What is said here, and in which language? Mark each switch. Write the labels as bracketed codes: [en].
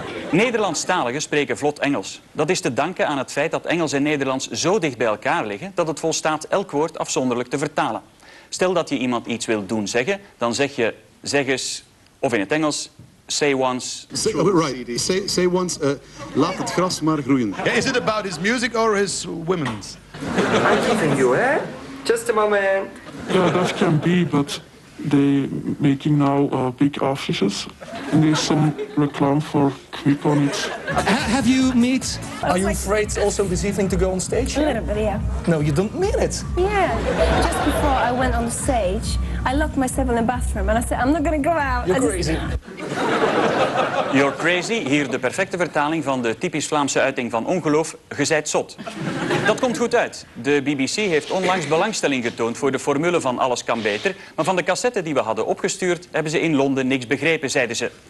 [nl] Nederlandstaligen spreken vlot Engels. Dat is te danken aan het feit dat Engels en Nederlands zo dicht bij elkaar liggen dat het volstaat elk woord afzonderlijk te vertalen. Stel dat je iemand iets wil doen zeggen, dan zeg je zeg eens, of in het Engels, [en] say once. Say once, [nl] laat het gras maar groeien. [en] Is it about his music or his women's? I'm kissing you, eh? Just a moment. Yeah, that can be, but They making now big affiches, and there's some reclame for Quick on it. Have you meet? Are you afraid also this evening to go on stage? A little bit, yeah. No, you don't mean it. Yeah. Just before I went on the stage, I locked myself in the bathroom and I said, I'm not gonna go out. You're crazy. You're crazy, [nl] hier de perfecte vertaling van de typisch Vlaamse uiting van ongeloof, ge zijt zot. Dat komt goed uit. De BBC heeft onlangs belangstelling getoond voor de formule van Alles kan beter, maar van de cassette die we hadden opgestuurd, hebben ze in Londen niks begrepen, zeiden ze.